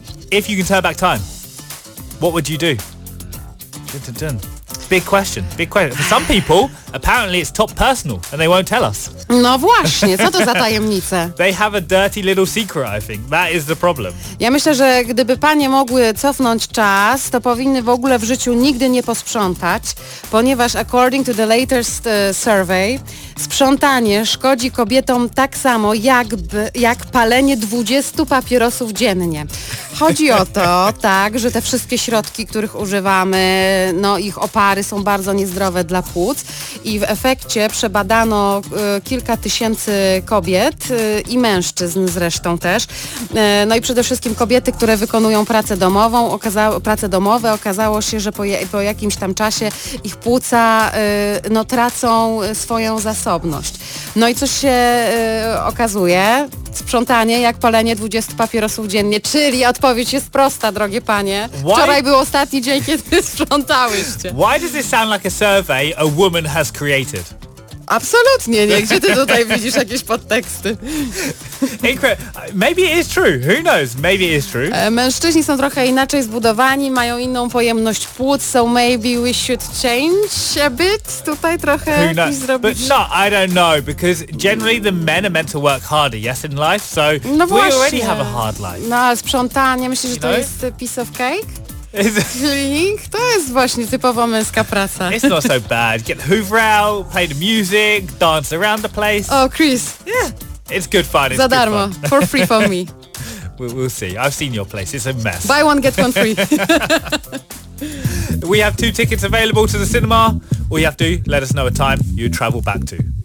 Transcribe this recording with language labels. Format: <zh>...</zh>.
<en>If you can turn back time, what would you do? Dun, dun, dun. Big question, big question. For some people, apparently it's top personal and they won't tell us.</en> <pl>No właśnie, co to za tajemnice?</pl> <en>They have a dirty little secret, I think. That is the problem.</en> <pl>Ja myślę, że gdyby panie mogły cofnąć czas, to powinny w ogóle w życiu nigdy nie posprzątać, ponieważ</pl> <en>according to the latest survey,</en> <pl>sprzątanie szkodzi kobietom tak samo, jak palenie 20 papierosów dziennie. Chodzi o to, tak, że te wszystkie środki, których używamy, no ich opary są bardzo niezdrowe dla płuc i w efekcie przebadano kilka tysięcy kobiet i mężczyzn zresztą też. No i przede wszystkim kobiety, które wykonują pracę domową, okazało się, że po jakimś tam czasie ich płuca no tracą swoją zasobność. No i co się okazuje? Sprzątanie jak palenie 20 papierosów dziennie, czyli odpowiedź jest prosta, drogie panie. Wczoraj był ostatni dzień, kiedy sprzątałyście.</pl> <en>Why does this sound like a survey a woman has created?</en> <pl>Absolutnie nie. Gdzie ty tutaj widzisz jakieś podteksty?</pl> <en>Maybe it is true. Who knows? Maybe it is true.</en> <pl>Mężczyźni są trochę inaczej zbudowani, mają inną pojemność płuc,</pl> <en>so maybe we should change a bit.</en> <pl>Tutaj trochę coś zrobić.</pl> <en>But no, I don't know, because generally the men are meant to work harder, yes, in life, so no we</en> <pl>właśnie.</pl> <en>Already have a hard life.</en> <pl>No, sprzątanie, myślę, że to jest</pl> <en>piece of cake?</en> <pl>To jest właśnie typowo męska praca.</pl> <en>It's not so bad. Get the Hoover out, play the music, dance around the place. Oh, Chris. Yeah. It's good fun. It's</en> <pl>za darmo.</pl> <en>Good fun. For free for me. We'll see. I've seen your place. It's a mess. Buy one, get one free. We have two tickets available to the cinema. All you have to do, let us know a time you travel back to.</en>